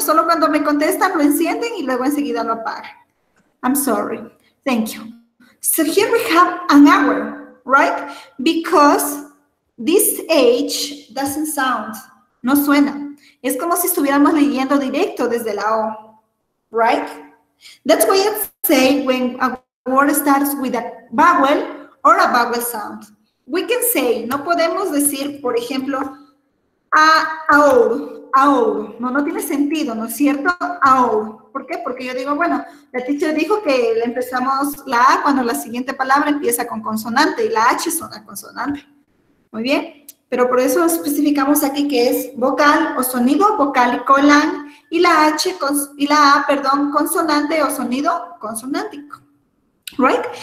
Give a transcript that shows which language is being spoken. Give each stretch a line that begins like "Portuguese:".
Spanish: Solo cuando me contestan, lo encienden y luego enseguida lo apagan.
English: I'm sorry. Thank you. So here we have an hour, right? Because this H doesn't sound,
Spanish: no suena. Es como si estuviéramos leyendo directo desde la O, right?
English: That's why I say when a word starts with a vowel or a vowel sound. We can say,
Spanish: no podemos decir, por ejemplo, aour, aour, no, no tiene sentido, ¿no es cierto? Aour, ¿por qué? Porque yo digo, bueno, la teacher dijo que empezamos la A cuando la siguiente palabra empieza con consonante y la H es una consonante, muy bien, pero por eso especificamos aquí que es vocal o sonido vocálico lang y la H, y la A, perdón, consonante o sonido consonántico, ¿right?